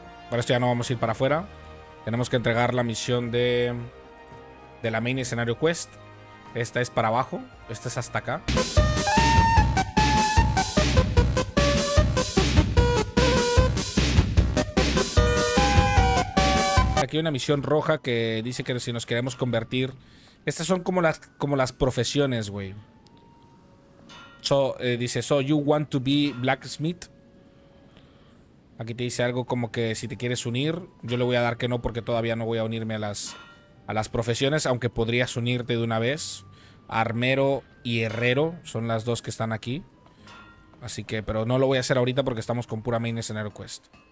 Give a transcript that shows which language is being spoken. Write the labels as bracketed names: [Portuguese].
[Spanish] Para esto ya no vamos a ir para afuera. Tenemos que entregar la misión de la main escenario quest. Esta es para abajo. Esta es hasta acá. Aquí hay una misión roja que dice que si nos queremos convertir. Estas son como las profesiones, güey. [English] So, you want to be blacksmith. [Spanish] Aquí te dice algo como que si te quieres unir. Yo le voy a dar que no porque todavía no voy a unirme a las profesiones, aunque podrías unirte de una vez. Armero y herrero son las dos que están aquí. Así que, pero no lo voy a hacer ahorita porque estamos con pura main scenario quest.